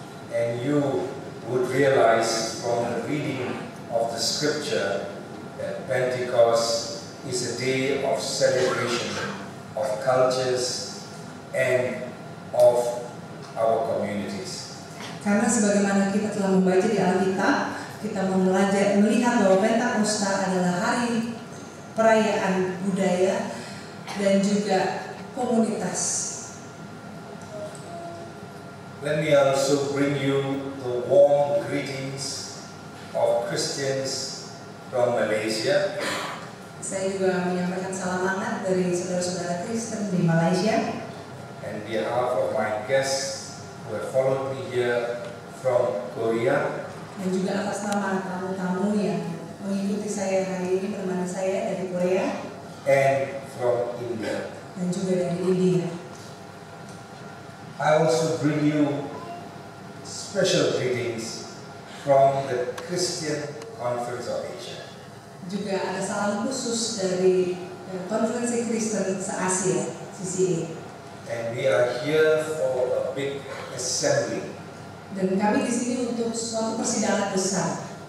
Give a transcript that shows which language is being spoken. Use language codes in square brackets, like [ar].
[en] And you would realize from the reading of the scripture that Pentecost is a day of celebration of cultures and of our communities. [id] Karena sebagaimana kita telah membaca di Alkitab, kita melihat bahwa Pentakosta adalah hari perayaan budaya dan juga komunitas. [en] Let me also bring you the warm greetings of Christians from Malaysia. [id] Saya juga menyampaikan salam hangat dari saudara-saudara Kristen di Malaysia. [en] And on behalf of my guests who have followed me here from Korea. [id] Dan juga atas nama tamu-tamu yang mengikuti saya hari ini, teman saya dari Korea. [en] And from India. [id] Dan juga dari India. [en] I also bring you special greetings from the Christian Conference of Asia. [id] Juga ada salam khusus dari Konferensi Kristen se-Asia, CCA. [en] And we are here for a big assembly. [id] Dan kami di sini untuk suatu persidangan besar.